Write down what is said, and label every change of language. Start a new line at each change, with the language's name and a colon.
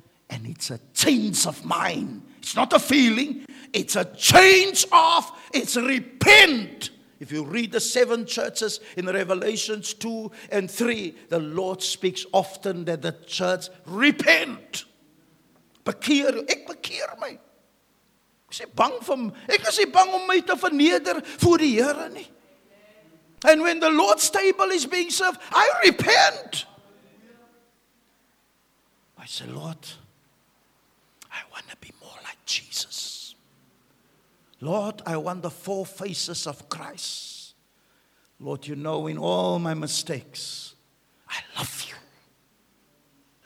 English: And it's a change of mind. It's not a feeling. It's a change of, it's repent. If you read the seven churches in Revelations 2 and 3, the Lord speaks often that the church repent.
Afrikaans: Bekeer, ek bekeer my. Ek is nie bang vir my. Ek is nie bang om my te verneder voor die Here nie.
English: And when the Lord's table is being served, I repent. I say, Lord, I want to be more like Jesus. Lord, I want the four faces of Christ. Lord, you know in all my mistakes, I love you.